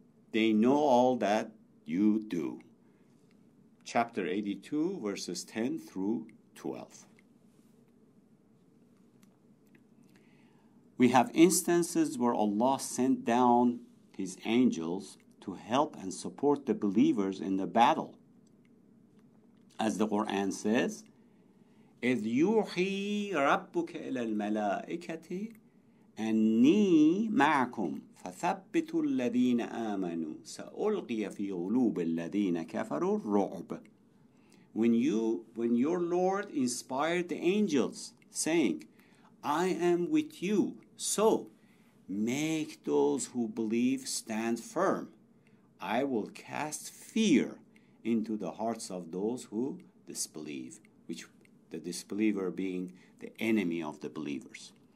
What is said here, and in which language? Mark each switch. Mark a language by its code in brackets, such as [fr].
[en] They know all that you do. Chapter 82, verses 10 through 12. We have instances where Allah sent down His angels to help and support the believers in the battle. As the Qur'an says, [ar] إِذْ يُوحِي رَبُّكَ إِلَى الْمَلَائِكَةِ أَنِّي مَعْكُمْ فَثَبِّتُوا الَّذِينَ آمَنُوا سَأُلْقِيَ فِي غُلُوبِ الَّذِينَ كَفَرُوا الرُّعْبِ. [en] When your Lord inspired the angels, saying, I am with you, so make those who believe stand firm. I will cast fear into the hearts of those who disbelieve, which the disbeliever being the enemy of the believers.